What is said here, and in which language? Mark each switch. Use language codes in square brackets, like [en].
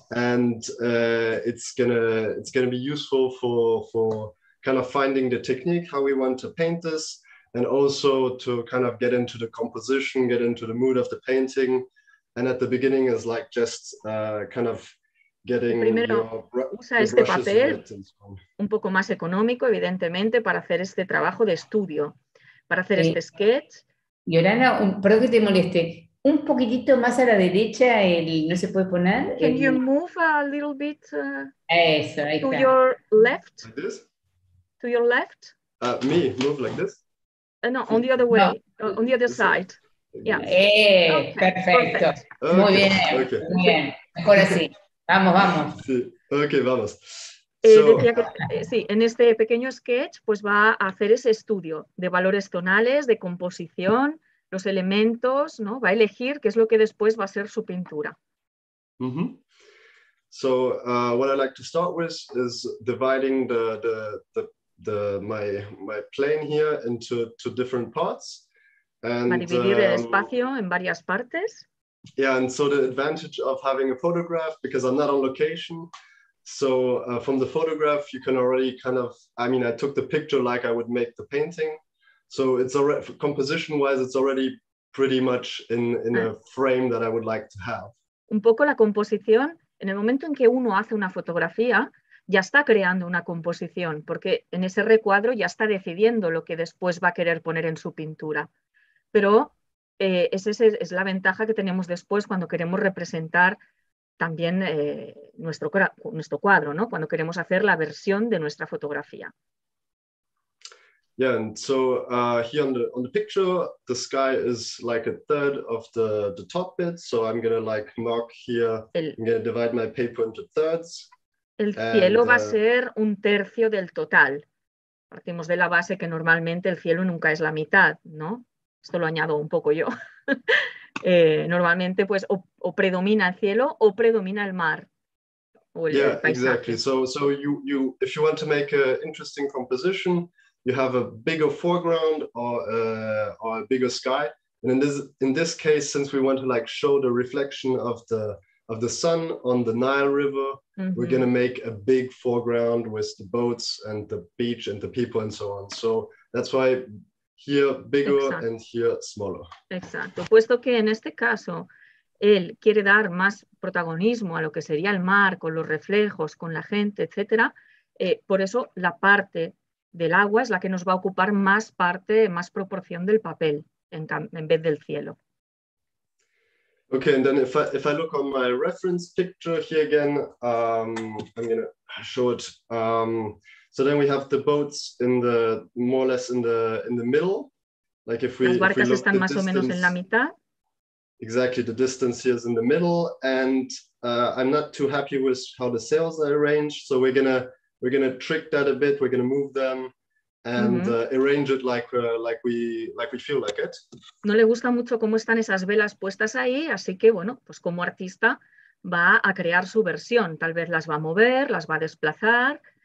[en] And it's gonna be useful for kind of finding the technique, how we want to paint this, and also to kind of get into the composition, get into the mood of the painting. And at the beginning is like just kind of getting [es] usa este papel un poco más económico, evidentemente, para hacer este trabajo de estudio, para hacer este sketch. Yorana, perdón que te moleste. Un poquitito más a la derecha, el no se puede poner. [en] Can you move a little bit [es] eso, [en] to your left? Like this? To your left? Me, move like this? No, on the other way, no. On the other side. Yeah. [es] Okay. Perfecto. Okay. Muy bien. Okay. Muy bien. Mejor así. Vamos, vamos. Sí. Okay, vamos. Decía que, sí, en este pequeño sketch, pues va a hacer ese estudio de valores tonales, de composición, los elementos, ¿no? Va a elegir qué es lo que después va a ser su pintura. Mm-hmm. [en] So what I like to start with is dividing my plane here into two different parts. [es] And, va a dividir el espacio en varias partes. [en] Yeah, and so the advantage of having a photograph, because I'm not on location. So from the photograph, you can already kind of, I mean, I took the picture like I would make the painting. So it's already, composition-wise, it's already pretty much in a frame that I would like to have. [es] Un poco la composición, en el momento en que uno hace una fotografía, ya está creando una composición, porque en ese recuadro ya está decidiendo lo que después va a querer poner en su pintura. Pero esa es la ventaja que tenemos después cuando queremos representar también nuestro cuadro, ¿no? Cuando queremos hacer la versión de nuestra fotografía. [en] Yeah, and so here on the picture, the sky is like a third of the top bit. So I'm gonna like mark here. I'm gonna divide my paper into thirds. [es] El cielo va a ser un tercio del total. Partimos de la base que normalmente el cielo nunca es la mitad, ¿no? Esto lo añado un poco yo. normalmente, pues, o predomina el cielo o predomina el mar. [en] Yeah, exactly. So you if you want to make an interesting composition, you have a bigger foreground or a bigger sky, and in this case, since we want to like show the reflection of the sun on the Nile River, mm-hmm. we're going to make a big foreground with the boats and the beach and the people and so on. So that's why here bigger [es] Exacto. [en] and here smaller. [es] Exacto. Puesto que en este caso él quiere dar más protagonismo a lo que sería el mar con los reflejos, con la gente, etcétera. Por eso la parte del agua es la que nos va a ocupar más parte, más proporción del papel en vez del cielo. [en] Okay, and then if I look on my reference picture here again, I'm going to show it. So then we have the boats in the more or less in the middle. Like if we [es] Las barcas [en] if we look [es] están más distance, o menos en la mitad. [en] Exactly, the distance here is in the middle, and I'm not too happy with how the sails are arranged, so we're gonna trick that a bit. We're gonna move them and mm-hmm. Arrange it like we feel like it. [es] No le gusta mucho cómo están esas velas puestas ahí, así que bueno, pues como artista va a crear su versión. Tal vez las va a mover, las va a desplazar.